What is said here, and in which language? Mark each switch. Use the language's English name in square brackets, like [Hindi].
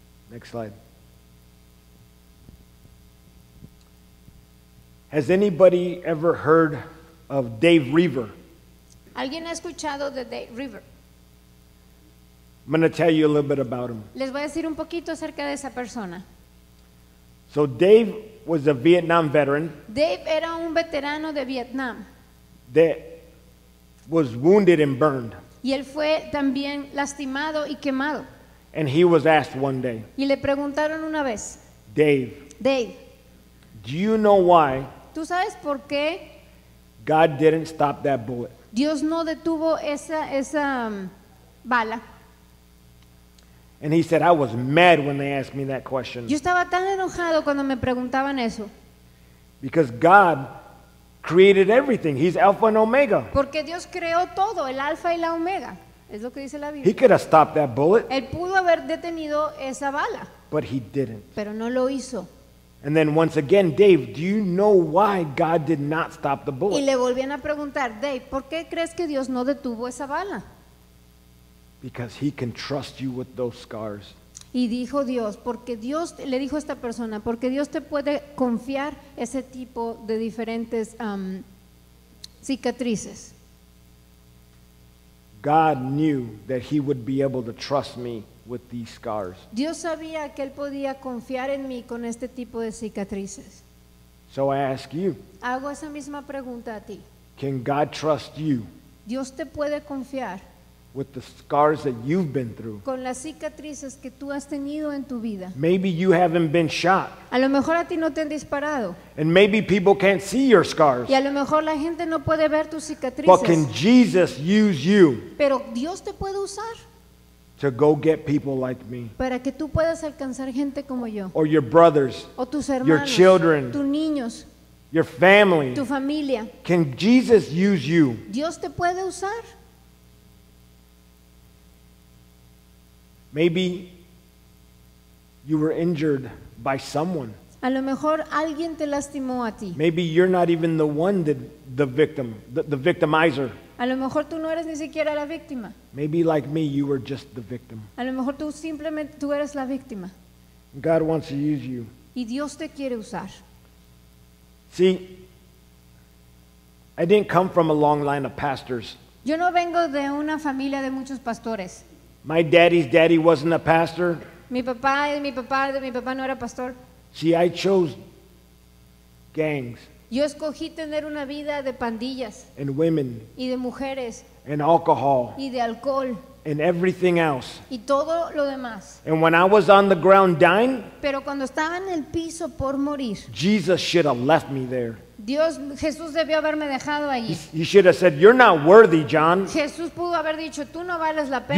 [English] Next slide. Has anybody ever heard of Dave Reaver? [Spanish] ¿Alguien ha escuchado de Dave Reaver? [English] I'm going to tell you a little bit about him. [Spanish] Les voy a decir un poquito acerca de esa persona. [English] So Dave was a Vietnam veteran. [Spanish] Dave era un veterano de Vietnam. [English] That was wounded and burned. [Spanish] Y él fue también lastimado y quemado. [English] And he was asked one day. [Spanish] Y le preguntaron una vez. [English] Dave. Do you know why? [Spanish] ¿Tú sabes por qué? [English] God didn't stop that bullet. [Spanish] Dios no detuvo esa bala. [English] And he said, I was mad when they asked me that question. [Spanish] Yo estaba tan enojado cuando me preguntaban eso. [English] Because God created everything. He's Alpha and Omega. [Spanish] Porque Dios creó todo, el Alpha y la Omega. Es lo que dice la Biblia. [English] He could have stopped that bullet. [Spanish] Él pudo haber detenido esa bala. [English] But he didn't. [Spanish] Pero no lo hizo. [English] And then once again, Dave, do you know why God did not stop the bullet? [Spanish] Y le volvían a preguntar, Dave, ¿por qué crees que Dios no detuvo esa bala? [English] Because he can trust you with those scars. [Spanish] Y dijo Dios, porque Dios, le dijo a esta persona, porque Dios te puede confiar ese tipo de diferentes cicatrices. [English] God knew that he would be able to trust me with these scars. [Spanish] Dios sabía que él podía confiar en mí con este tipo de cicatrices. [English] So I ask you. [Spanish] Hago esa misma pregunta a ti. [English] Can God trust you? [Spanish] Dios te puede confiar [English] with the scars that you've been through. [Spanish] Con las cicatrices que tú has tenido en tu vida. [English] Maybe you haven't been shot. [Spanish] A lo mejor a ti no te han disparado. [English] And maybe people can't see your scars. [Spanish] Y a lo mejor la gente no puede ver tus cicatrices. [English] But can Jesus use you? [Spanish] Pero Dios te puede usar. [English] To go get people like me. [Spanish] Para que tú puedas alcanzar gente como yo. [English] Or your brothers. [Spanish] O tus hermanos. [English] Your children. [Spanish] Tus niños. [English] Your family. [Spanish] Tu familia. [English] Can Jesus use you? [Spanish] Dios te puede usar. [English] Maybe you were injured by someone. [Spanish] A lo mejor alguien te lastimó a ti. [English] Maybe you're not even the one that the victimizer. [Spanish] A lo mejor tú no eres ni siquiera la víctima. [English] Maybe like me, you were just the victim. [Spanish] A lo mejor tú simplemente tú eres la víctima. [English] God wants to use you. [Spanish] Y Dios te quiere usar. [English] See, I didn't come from a long line of pastors. [Spanish] Yo no vengo de una familia de muchos pastores. [English] My daddy's daddy wasn't a pastor. [Spanish] Mi papá no era pastor. [English] See, I chose gangs. [Spanish] Yo escogí tener una vida de pandillas. [English] And women. [Spanish] Y de mujeres. [English] And alcohol. [Spanish] Y de alcohol. [English] And everything else. [Spanish] Y todo lo demás. [English] And when I was on the ground dying. [Spanish] Pero cuando estaba en el piso por morir. [English] Jesus should have left me there. [Spanish] Dios, Jesús debió haberme dejado allí. [English] He should have said, you're not worthy, John. [Spanish] Jesús pudo haber dicho, tú no vales la pena.